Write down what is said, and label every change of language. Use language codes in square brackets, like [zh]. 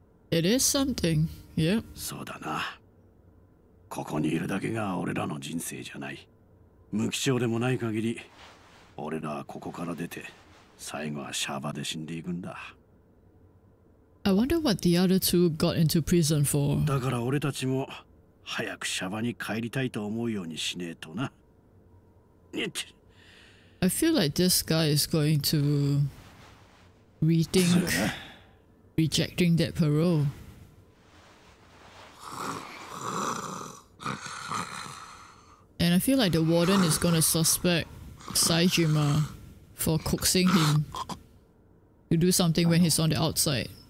[en] It is something. Yep. [ja] そうだな。ここにいるだけが俺らの人生じゃない。無期懲でもない限り俺らはここから出て、最後はシャバで死んでいくんだ。 [en] I wonder what the other two got into prison for. [ja] だから俺たちも早くシャバに帰りたいと思うようにしねえとな。 [en] I feel like this guy is going to rethink rejecting that parole. And I feel like the warden is gonna suspect. Saejima for coaxing him to do something when he's on the outside.